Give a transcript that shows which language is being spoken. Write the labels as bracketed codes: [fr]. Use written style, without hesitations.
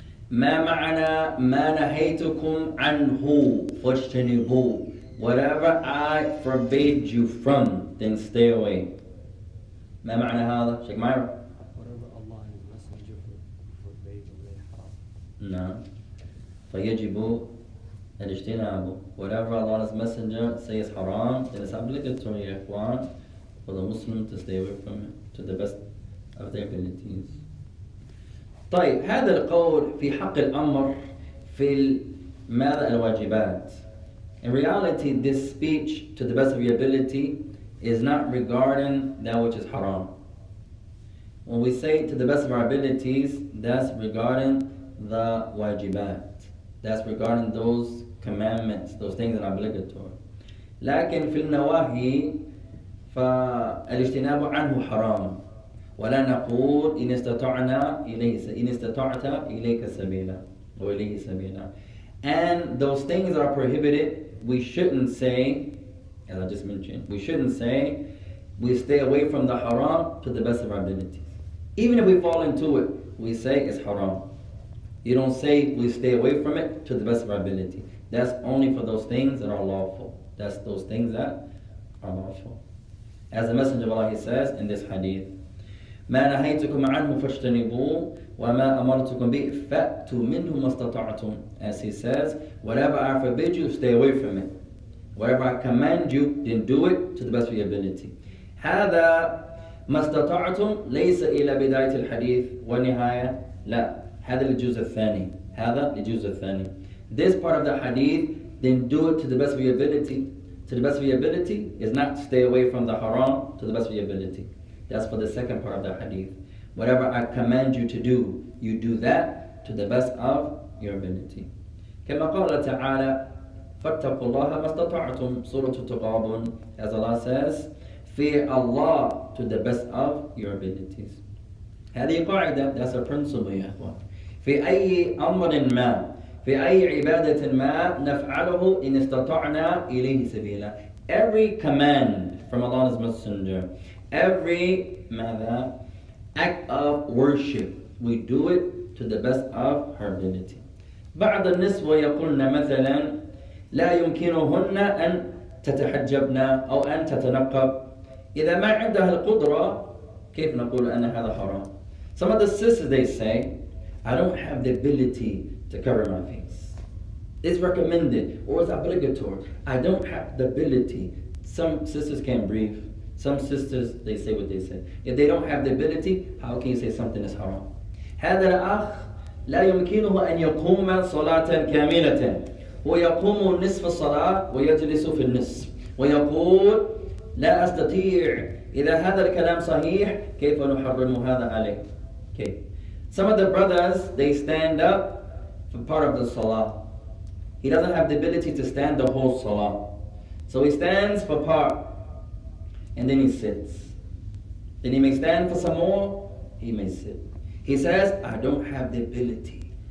[ar] ما معنى ما نهيتكم عنه فاجتنبوا. [en] Whatever I forbade you from, then stay away. [ar] ما معنى هذا شيخ ماير؟ [en] Whatever Allah and His Messenger forbade you from. [ar] نعم. فيجب الاجتناب. [en] Whatever Allah and His Messenger says haram, then it's obligatory, [ar] يا إخوان, [en] for the Muslim to stay away from it to the best of their abilities. [ar] طيب هذا القول في حق الأمر في ماذا الواجبات. [en] In reality, this speech to the best of your ability is not regarding that which is haram. When we say to the best of our abilities, that's regarding the واجبات. That's regarding those commandments, those things that are obligatory. [ar] لكن في النواهي فالاجتناب عنه حرام. ولا نقول إن استطعنا إليه إن استطعت إليك سبيلا وإليه سبيلا. [en] And those things are prohibited. We shouldn't say, as I just mentioned, we shouldn't say we stay away from the haram to the best of our abilities. Even if we fall into it, we say it's haram. You don't say we stay away from it to the best of our ability. That's only for those things that are lawful. That's those things that are lawful. As the Messenger of Allah, he says in this hadith, [ar] ما نهيتكم عنه فاجتنبوه وما أمرتكم به فأتوا منه ما استطعتم. [en] As he says, whatever I forbid you, stay away from it. Whatever I command you, then do it to the best of your ability. [ar] هذا ما استطعتم ليس إلى بداية الحديث والنهاية. لا. هذا الجزء الثاني. هذا الجزء الثاني. [en] This part of the hadith, then do it to the best of your ability. To the best of your ability is not to stay away from the haram to the best of your ability. That's for the second part of the hadith. Whatever I command you to do, you do that to the best of your ability. [ar] كما قال تعالى فاتقوا الله ما استطعتم سورة تقابون. [en] As Allah says, fear Allah to the best of your abilities. [ar] هذه قاعدة. [en] That's a principle, [ar] يا أخوان. في أي أمر ما في أي عبادة ما نفعله إن استطعنا إليه سبيلا. [en] Every command from Allah's Messenger, every act of worship, we do it to the best of our ability. [ar] بعض النسوة يقولن مثلا لا يمكنهن أن تتحجبن أو أن تتنقب. إذا ما عندها القدرة كيف نقول أن هذا حرام. [en] Some of the sisters, they say, I don't have the ability to cover my face. It's recommended or it's obligatory. I don't have the ability. Some sisters can't breathe. Some sisters, they say what they say. If they don't have the ability, how can you say something is haram? [ar] هذا الأخ لا يمكنه أن يقوم صلاة كاملة ويقوم نصف الصلاة ويجلس في النصف ويقول لا أستطيع. إذا هذا الكلام صحيح كيف نحرم هذا عليه؟ [en] Okay. Some of the brothers, they stand up for part of the salah. He doesn't have the ability to stand the whole salah. So he stands for part, and then he sits. Then he may stand for some more, he may sit. He says, I don't have the ability.